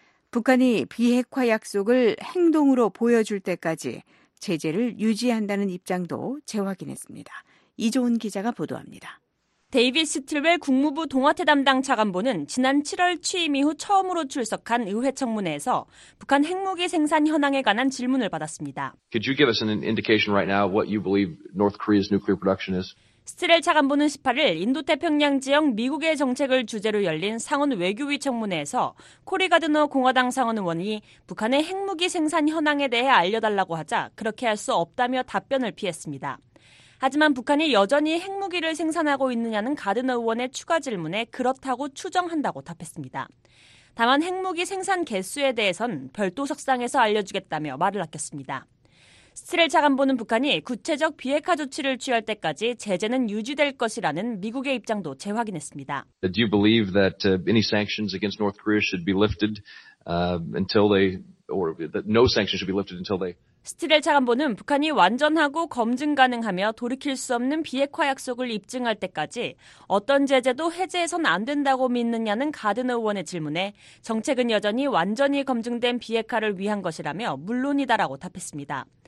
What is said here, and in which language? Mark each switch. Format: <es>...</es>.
<ko>북한이 비핵화 약속을 행동으로 보여줄 때까지 제재를 유지한다는 입장도 재확인했습니다. 이조은 기자가 보도합니다. 데이비드 스틸웰 국무부 동아태 담당 차관보는 지난 7월 취임 이후 처음으로 출석한 의회 청문회에서 북한 핵무기 생산 현황에 관한 질문을 받았습니다.</ko> <en>Could you give us an indication right now what you believe North Korea's nuclear production is?</en> <ko>스틸웰 차관보는 18일 인도태평양 지역 미국의 정책을 주제로 열린 상원 외교위 청문회에서 코리 가드너 공화당 상원 의원이 북한의 핵무기 생산 현황에 대해 알려달라고 하자 그렇게 할 수 없다며 답변을 피했습니다. 하지만 북한이 여전히 핵무기를 생산하고 있느냐는 가드너 의원의 추가 질문에 그렇다고 추정한다고 답했습니다. 다만 핵무기 생산 개수에 대해선 별도 석상에서 알려주겠다며 말을 아꼈습니다. 스틸웰 차관보는 북한이 구체적 비핵화 조치를 취할 때까지 제재는 유지될 것이라는 미국의 입장도 재확인했습니다.</ko> <en>Do you believe that any sanctions against North Korea should be lifted until they or that no sanctions should be lifted until they</en> <ko>스틸웰 차관보는 북한이 완전하고 검증 가능하며 돌이킬 수 없는 비핵화 약속을 입증할 때까지 어떤 제재도 해제해선 안 된다고 믿느냐는 가드너 의원의 질문에 정책은 여전히 완전히 검증된 비핵화를 위한 것이라며 물론이다라고 답했습니다.</ko>